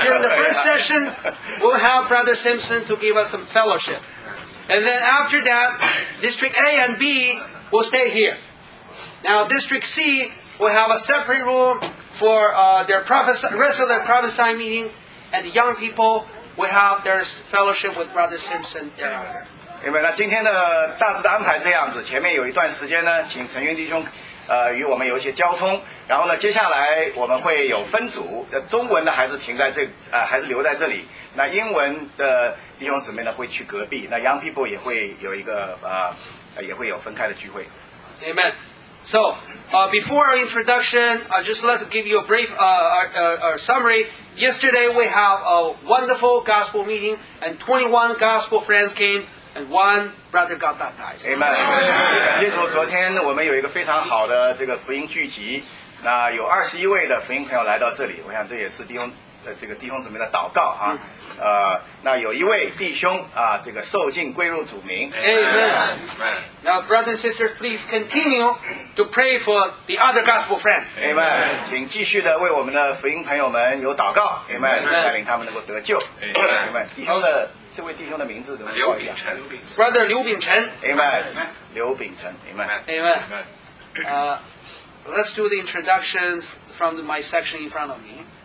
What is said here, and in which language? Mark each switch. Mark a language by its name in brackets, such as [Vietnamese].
[English] During the first session, we'll have Brother Simpson to give us some fellowship, and then after that, District A and B will stay here. Now District C will have a separate room. For rest of their prophesying meeting, and the young people will have their fellowship with Brother Simpson there. Amen. [Chinese] 那今天的大致的安排这样子，前面有一段时间呢，请陈勋弟兄，与我们有一些交通。然后呢，接下来我们会有分组，中文的还是停在这，还是留在这里。那英文的弟兄姊妹呢，会去隔壁。那 [English] young people [Chinese] 也会有一个也会有分开的聚会。 [English] Amen. So, before our introduction, I'd just like to give you a brief summary. Yesterday, we have a wonderful gospel meeting, and 21 gospel friends came, and one brother got baptized. Amen. [Chinese] 耶稣昨天我们有一个非常好的这个福音聚集，那有21位的福音朋友来到这里，我想这也是弟兄这个弟兄姊妹的祷告啊，那有一位弟兄啊，这个受浸归入主名。 [English] Amen. Now, brothers and sisters, please continue to pray for the other gospel friends. Amen. [Chinese] 请继续的为我们的福音朋友们有祷告。 [English] Amen. [Chinese] 带领他们能够得救。 [English] Amen. [Chinese] 弟兄的这位弟兄的名字怎么叫？刘秉辰。 [English] Brother 刘秉辰。 Amen. 刘秉辰。Amen. Amen. Let's do the introduction from my section in front of me.